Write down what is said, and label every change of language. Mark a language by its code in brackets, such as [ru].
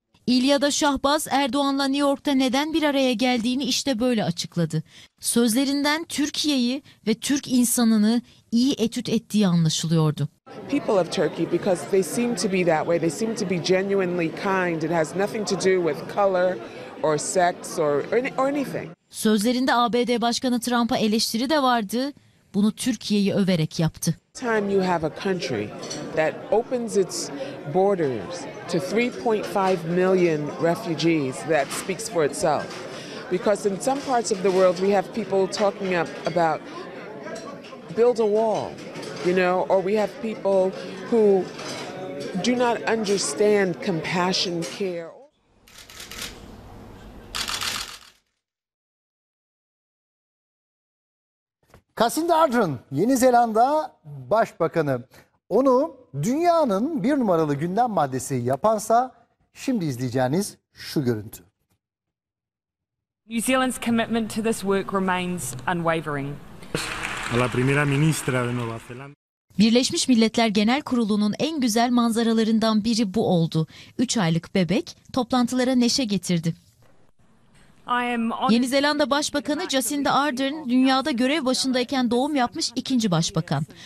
[tr] İlyada Şahbaz, Erdoğan'la New York'ta neden bir araya geldiğini işte böyle açıkladı. Sözlerinden Türkiye'yi ve Türk insanını iyi etüt ettiği anlaşılıyordu. [en] People of Turkey, because they seem to be that way, they seem to be genuinely kind. It has nothing to do with color or sex or anything. [tr] Sözlerinde ABD Başkanı Trump'a eleştiri de vardı. Bunu Türkiye'yi överek yaptı. [en] Time you have a country that opens its borders to 3.5 million refugees, that speaks for itself. Because in some parts of the world we have people talking about build a wall, you know, or we have people who do not understand compassion, care. [tr] Jacinda Ardern, Yeni Zelanda Başbakanı. Onu dünyanın bir numaralı gündem maddesi yapansa, şimdi izleyeceğiniz şu görüntü. [en] New Zealand's commitment to this work remains unwavering. [es] La primera ministra de Nueva Zelanda. [tr] Birleşmiş Milletler Genel Kurulu'nun en güzel manzaralarından biri bu oldu. 3 aylık bebek toplantılara neşe getirdi. Yeni Zelanda Başbakanı Jacinda Ardern, dünyada görev başındayken doğum yapmış ikinci başbakan.